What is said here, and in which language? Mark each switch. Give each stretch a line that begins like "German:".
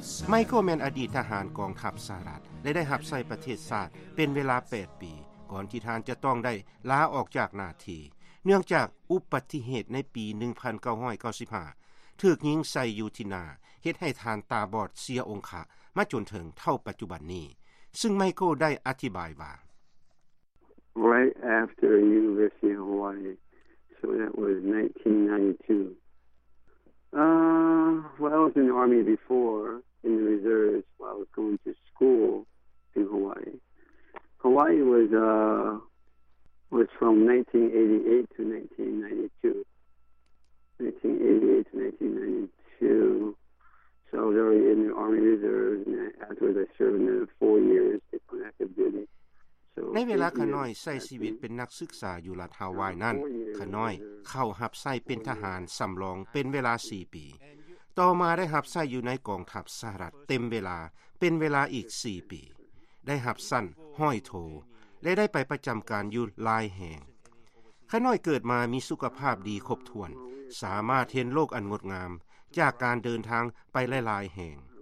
Thai: ไมเคิลแมนอดีตทหารกองทัพสหรัฐและได้รับใช้ประเทศชาติเป็นเวลา8ปีก่อนที่ท่านจะต้องได้ลาออกจากหน้าที่เนื่องจากอุบัติเหตุในปี1995ถูกยิงใส่อยู่ที่หน้าเฮ็ดให้ทานตาบอดเสียองค์มาจนถึงเท่าปัจจุบันนี้ซึ่งไมเคิลได้อธิบายว่า
English: Right after University of Hawaii so that was 1992 well I was in the army before in the reserves while I was going to school in Hawaii Hawaii was from 1988 to 1992 so they were in the army reserve and afterwards I served in 4 years in active duty so
Thai: ในเวลาข้าน้อยใช้ชีวิตเป็นนักศึกษาอยู่รัฐฮาวายนั้นข้าน้อยเข้ารับใช้เป็นทหารสำรองเป็นเวลา4ปีต่อมาได้รับใช้อยู่ในกองทัพสหรัฐเต็มเวลาเป็นเวลาอีก4ปีได้รับสั้นห้อยโทและได้ไปประจําการอยู่ลายแห่งข้าน้อยเกิดมามีสุขภาพดีครบถ้วนสามารถเห็นโลกอันงดงามจากการเดินทางไปหลายๆแห่ง